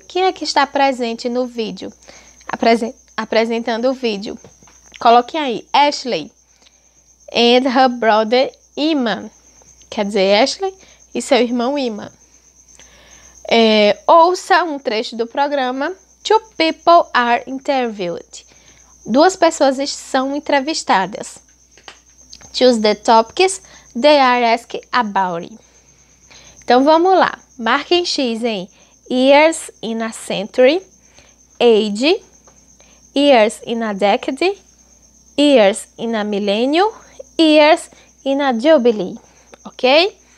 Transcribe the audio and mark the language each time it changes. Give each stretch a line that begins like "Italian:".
Portuguese: Quem é que está presente no vídeo? Apresentando o vídeo. Coloquem aí.
English: Ashley and her brother Iman.
Portuguese: Quer dizer, Ashley e seu irmão Iman. Ouça um trecho do programa.
English: Two people are interviewed.
Portuguese: Duas pessoas são entrevistadas.
English: Choose the topics they are asked about.
Portuguese: Então vamos lá. Marquem X em
English: years in a century, age, years in a decade, years in a millennium, years in a jubilee.
Portuguese: Ok?